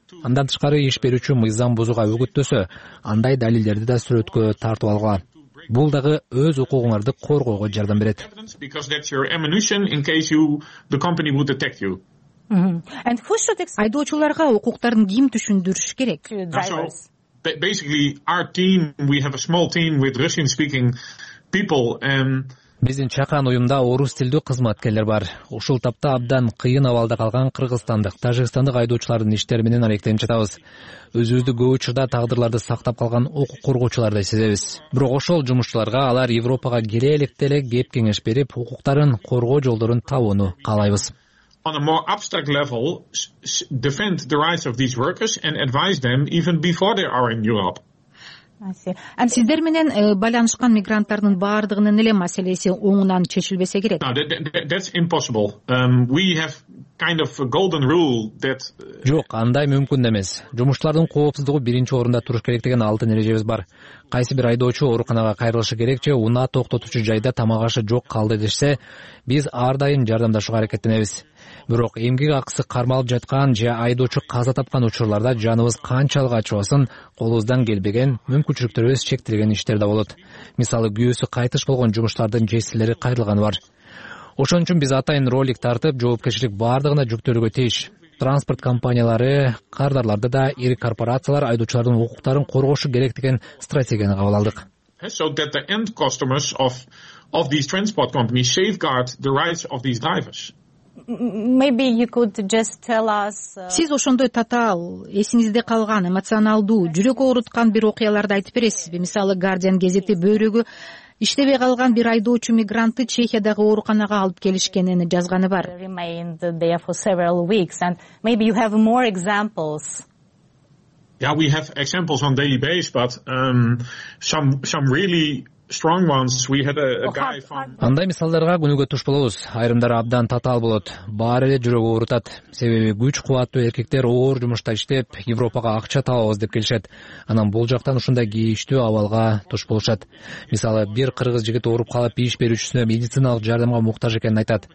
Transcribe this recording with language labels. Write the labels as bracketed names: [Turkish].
[Kyrgyz] Андан тышкары иш берүүчү мыйзам бузууга үгүттөсө, андай далилдерди да сүрөткө тартып алгыла. Бул дагы өз укугуңарды коргоого жардам берет. Айдоочуларга укуктарын ким түшүндүрүш керек? [English] Basically our team, we have a small team with Russian speaking people and [Kyrgyz] биздин чакан уюмда орус тилдүү кызматкерлер бар. Ушул тапта абдан кыйын абалда калган кыргызстандык, тажикстандык айдоочулардын иштери менен алектенип жатабыз. Өзүбүздү көп учурда тагдырларды сактап калган укук коргоочулардай сезебиз. Бирок ошол жумушчуларга алар Европага келе электе эле кеп кеңеш берип, укуктарын коргоо жолдорун табууну каалайбыз. [English] On a more abstract level, defend the rights of these workers and advise them even before they are in Europe. [Kyrgyz] Сиздер менен байланышкан мигранттардын баардыгынын эле маселеси оңунан чечилбесе керек? [English] That's impossible. We have kind of a golden rule that... [Kyrgyz] Жок, андай мүмкүн эмес. Жумушчулардын коопсуздугу биринчи орунда туруш керек деген алтын эрежебиз бар. Кайсы бир айдоочу ооруканага кайрылышы керек же унаа токтотуучу жайда тамак ашы жок калды дешсе, биз ар дайым жардамдашууга аракеттенебиз. Бирок эмгек акысы кармалып жаткан же айдоочу каза тапкан учурларда жаныбыз канчалык ачыбасын, колубуздан келбеген мүмкүнчүлүктөрүбүз чектелген иштер да болот. Мисалы, күйөөсү кайтыш болгон жумуштардын жесилери кайрылган бар. Ошон үчүн биз атайын ролик тартып, жоопкерчилик бардыгына жүктөлүүгө тийиш. Транспорт компаниялары, кардарларды да, ири корпорациялар айдоочулардын укуктарын коргошу керек деген стратегияны кабыл алдык. [English] So that the end customers of these transport companies safeguard the rights of these drivers. Maybe you could just tell us. [Kyrgyz] Сиз ошондой татаал, эсиңизде калган, эмоционалдуу, жүрөк ооруткан бир окуяларды айтып бересизби? Мисалы, Guardian гезити бөйрөгү иштебей калган бир айдоочу мигрантты Чехиядагы ооруканага алып келишкенин жазганы бар. [English] Remained there for several weeks and maybe you have more examples. Yeah, we have examples on daily basis, but some really strong ones. We had a guy from. [Kyrgyz] Андай мисалдарга күнүгө туш болобуз. Айрымдары абдан татаал болот. Баары эле жүрөк оорутат. Себеби күч кубаттуу эркектер оор жумушта иштеп, Европага акча табабыз деп келишет. Анан бул жактан ушундай кийиштүү абалга туш болушат. Мисалы, бир кыргыз жигит ооруп калып, иш берүүчүсүнө медициналык жардамга муктаж экенин айтат.